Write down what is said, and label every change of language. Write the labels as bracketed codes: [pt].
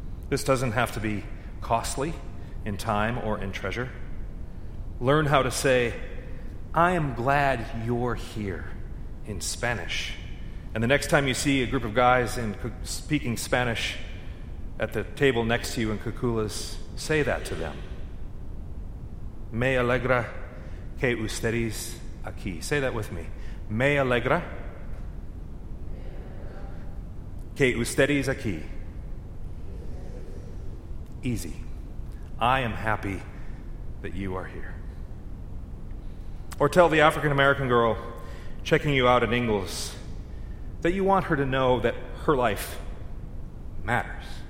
[en] This doesn't have to be costly in time or in treasure. Learn how to say, "I am glad you're here," in Spanish. And the next time you see a group of guys speaking Spanish at the table next to you in Cuculas, say that to them. [es] Me alegra que ustedes aquí. [en] Say that with me. [es] Me alegra que ustedes aquí. [en] Easy. I am happy that you are here. Or tell the African-American girl checking you out at Ingalls that you want her to know that her life matters.